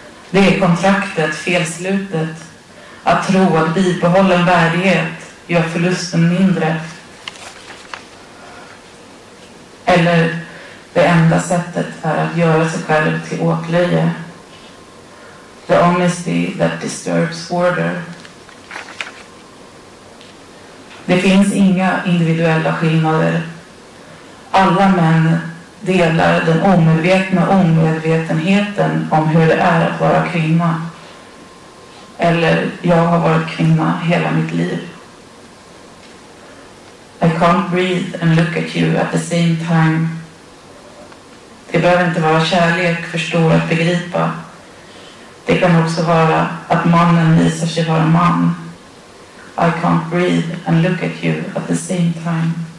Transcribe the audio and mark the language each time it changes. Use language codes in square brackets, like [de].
[sv] Det är kontraktet, felslutet. Att tro att bibehållen värdighet gör förlusten mindre. Eller det enda sättet är att göra sig själv till åtlöje. [en] The honesty that disturbs order. [sv] Det finns inga individuella skillnader. Alla män delar den omedvetna omedvetenheten om hur det är att vara kvinna. Eller jag har varit kvinna hela mitt liv. [en] I can't breathe and look at you at the same time. [sv] Det behöver inte vara kärlek, förstå och begripa. Det kan också vara att mannen visar sig vara man. [en] I can't breathe and look at you at the same time.